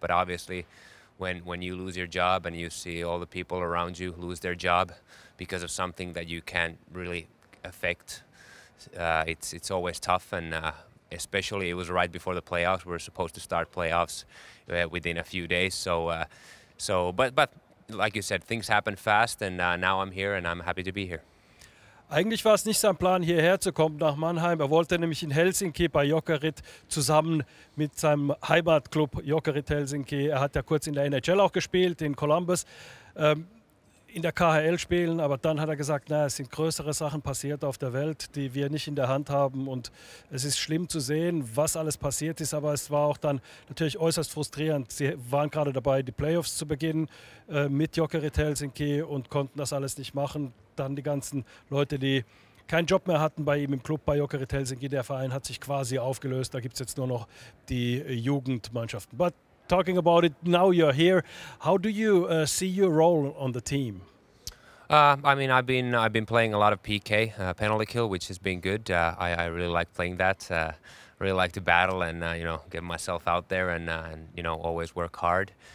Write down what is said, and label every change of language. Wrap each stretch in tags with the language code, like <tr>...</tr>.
<en>But obviously, when you lose your job and you see all the people around you lose their job because of something that you can't really affect, it's always tough. And especially it was right before the playoffs. We were supposed to start playoffs within a few days. So, but like you said, things happen fast, and now I'm here and I'm happy to be here.</en> <de>Eigentlich war es nicht sein Plan, hierher zu kommen nach Mannheim. Er wollte nämlich in Helsinki bei Jokerit zusammen mit seinem Heimatclub Jokerit Helsinki. Er hat ja kurz in der NHL auch gespielt, in Columbus, in der KHL spielen. Aber dann hat er gesagt, naja, es sind größere Sachen passiert auf der Welt, die wir nicht in der Hand haben. Und es ist schlimm zu sehen, was alles passiert ist. Aber es war auch dann natürlich äußerst frustrierend. Sie waren gerade dabei, die Playoffs zu beginnen mit Jokerit Helsinki und konnten das alles nicht machen. Dann die ganzen Leute, die keinen Job mehr hatten bei ihm im Club, bei Jokerit Helsinki. Der Verein hat sich quasi aufgelöst. Da gibt es jetzt nur noch die Jugendmannschaften.</de> <en>But talking about it, now you're here. How do you see your role on the team? I've been playing a lot of PK, penalty kill, which has been good. I really like playing that. Really like to battle and, you know, get myself out there and you know, always work hard.</en>